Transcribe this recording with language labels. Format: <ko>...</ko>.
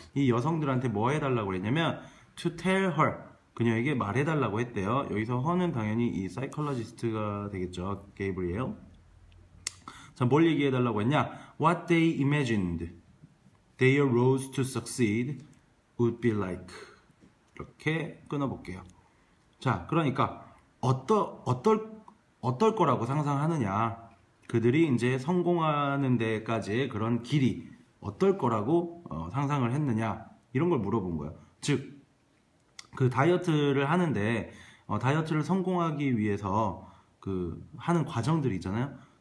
<ko>이 여성들한테 뭐 해달라고 그랬냐면</ko> <en>to tell her,</en> <ko>그녀에게 말해달라고 했대요. 여기서 허는 당연히 이 사이콜로지스트가 되겠죠. 게이브리엘. 자, 뭘 얘기해달라고 했냐?</ko> <en>What they imagined their roads to succeed would be like.</en> <ko>이렇게 끊어볼게요. 자, 그러니까 어떨 거라고 상상하느냐? 그들이 이제 성공하는 데까지의 그런 길이 어떨 거라고 상상을 했느냐? 이런 걸 물어본 거예요. 즉, 그 다이어트를 하는데, 다이어트를 성공하기 위해서 그 하는 과정들 있잖아요.</ko>